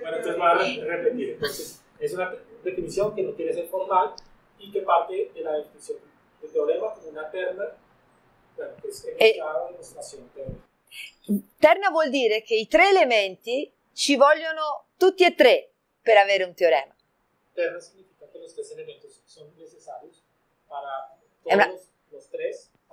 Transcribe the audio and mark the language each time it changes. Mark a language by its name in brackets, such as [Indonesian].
[Spanish] Bueno, entonces voy a repetir. Es una definición que no quiere ser formal y que parte de la definición del teorema como una terna, que es enunciado, demostración, teorema. [Italian] Terna vuol dire che i tre elementi ci vogliono tutti e tre per avere un teorema. [Spanish] Terna significa que los tres elementos son necesarios para todos los tres.